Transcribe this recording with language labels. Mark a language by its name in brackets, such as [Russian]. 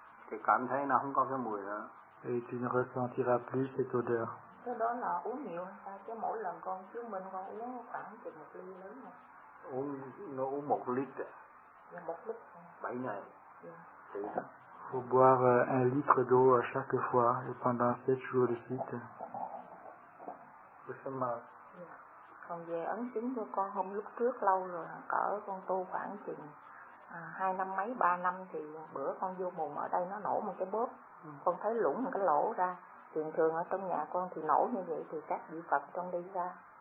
[Vietnamese] Thì cảm thấy nó không có cái mùi nữa. [French] Et tu ne ressentiras plus cette odeur. [Vietnamese] Cái đó là uống nhiều hay sao? Chứ mỗi lần con chứ mình con uống khoảng chừng một ly lớn nè. Nó uống một lít. Dạ, một lít. 7 ngày. Dạ. [French] Faut boire un litre d'eau à chaque fois et pendant 7 jours de suite. [Vietnamese] Cảm ơn. Còn về ấn chứng của con hôm lúc trước lâu rồi, cỡ con tu khoảng chừng 2 năm mấy, 3 năm thì bữa con vô mùm ở đây nó nổ một cái bóp. Con thấy lủng một cái lỗ ra. Thường thường ở trong nhà con thì nổ như vậy thì các vị Phật trong đi ra.